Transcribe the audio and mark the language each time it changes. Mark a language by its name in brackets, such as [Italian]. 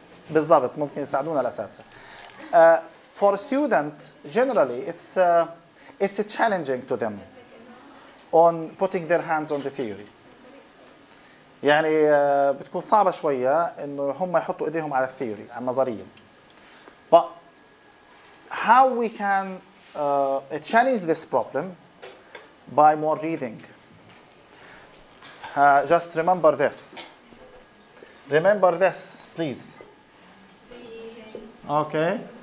[Arabic] بالضبط ممكن يساعدونا الأساتذة. [English] For a student, generally, it's challenging to them on putting their hands on the theory. [Arabic] يعني بتكون صعبة شوية إنه هم يحطوا إيديهم على الثيوري على النظرية. [English] But how we can challenge this problem by more reading? Just remember this. Remember this, please. Okay.